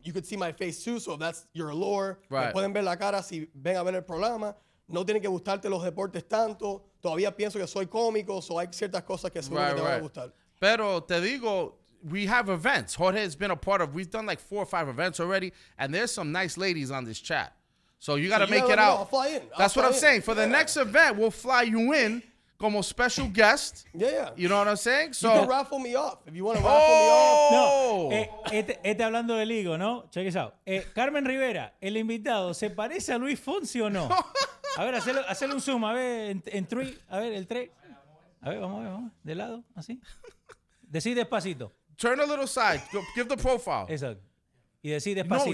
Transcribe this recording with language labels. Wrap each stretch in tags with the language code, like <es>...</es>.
<en>You could see my face too, so if that's your allure. Right.</en> <es>Me pueden ver la cara si ven a ver el programa. No tienen que gustarte los deportes tanto. Todavía pienso que soy cómico, so hay ciertas cosas que seguro que te van a gustar. Pero te digo,</es> <en>we have events. Jorge has been a part of, we've done like 4 or 5 events already, and there's some nice ladies on this chat. So you got to make it out. I'll fly in. That's what I'm saying. For the next event, we'll fly you in.</en> <es>como special guest.</es> <en>Yeah, yeah. You know what I'm saying? So, you can raffle me off if you want to raffle me off.</en> <es>No. Este hablando del higo, ¿no?</es> <en>Check this out.</en> <es>Carmen Rivera, el invitado, ¿se parece a Luis Fonsi o no? A ver, hacerle un zoom. A ver, en three. A ver, el tres. A ver, vamos a ver, vamos. De lado, así. Decir despacito.</es> <en>Turn a little side. Give the profile.</en> <es>Exacto. Y decir despacito.</es>